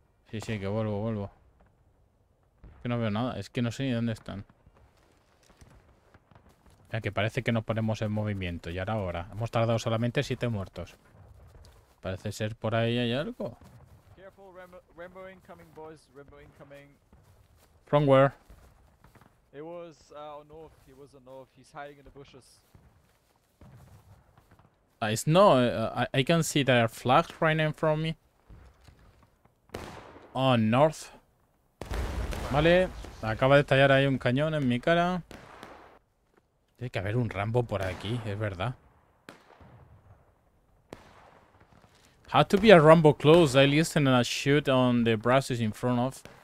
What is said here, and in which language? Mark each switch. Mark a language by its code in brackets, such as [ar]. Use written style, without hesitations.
[es] Sí, que vuelvo, vuelvo. Es que no veo nada, es que no sé ni dónde están. Ya que parece que nos ponemos en movimiento. Y ahora. Hemos tardado solamente 7 muertos. Parece ser por ahí hay algo. [en] Careful, Rambo incoming, boys. Rambo incoming. From where? It was north. He was north. He's hiding in the bushes. It's no, I can see there are flags right in front of me. Oh, North. [es] Vale, acaba de estallar ahí un cañón en mi cara. Tiene que haber un Rambo por aquí, es verdad. [en] Had to be a Rambo close. I listened and I shoot on the brasses in front of.